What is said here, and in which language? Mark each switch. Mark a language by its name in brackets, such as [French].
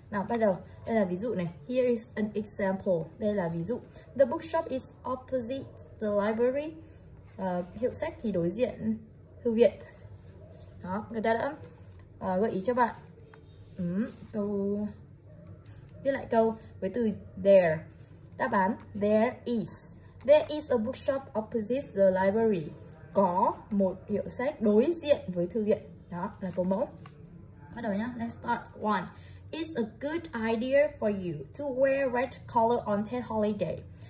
[Vietnamese] Nào bắt đầu, đây là ví dụ này. [English] Here is an example. [Vietnamese] Đây là ví dụ. [English] The bookshop is opposite the library. [Vietnamese] Hiệu sách thì đối diện thư viện. Đó, người ta đã gợi ý cho bạn. Câu viết lại câu với từ there. Đáp án [English] there is a bookshop opposite the library. [Vietnamese] Có một hiệu sách đối diện với thư viện. Đó là câu mẫu. Bắt đầu nhá. [English] Let's start one. It's a good idea for you to wear red color on Tet holiday.